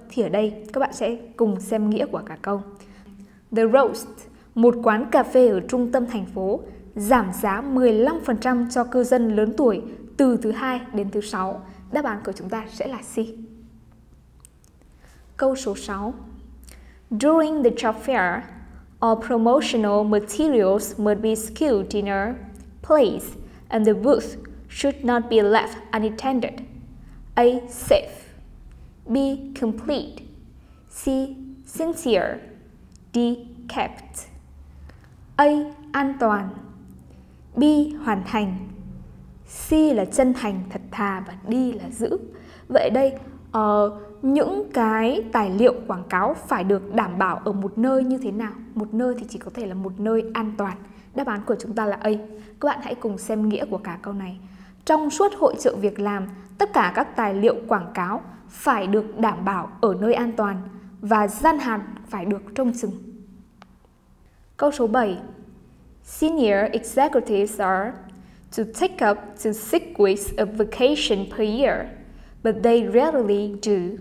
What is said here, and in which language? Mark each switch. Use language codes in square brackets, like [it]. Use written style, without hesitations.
[vi] Thì ở đây các bạn sẽ cùng xem nghĩa của cả câu. The Roast, một quán cà phê ở trung tâm thành phố, giảm giá 15% cho cư dân lớn tuổi từ thứ hai đến thứ sáu. Đáp án của chúng ta sẽ là C. Câu số 6. [en] During the job fair, all promotional materials must be skewed in a place and the booth should not be left unattended. A. Safe. B. Complete. C. Sincere. D. Kept. [vi] A. An toàn. B. Hoàn thành. [en] C. [vi] Là chân thành, thật thà. Và D. Là giữ. Vậy đây, những cái tài liệu quảng cáo phải được đảm bảo ở một nơi như thế nào? Một nơi thì chỉ có thể là một nơi an toàn. Đáp án của chúng ta là A. Các bạn hãy cùng xem nghĩa của cả câu này. Trong suốt hội chợ việc làm, tất cả các tài liệu quảng cáo phải được đảm bảo ở nơi an toàn và gian hàng phải được trông chừng. Câu số 7. [en] Senior executives are to take up to 6 weeks of vacation per year, but they rarely do.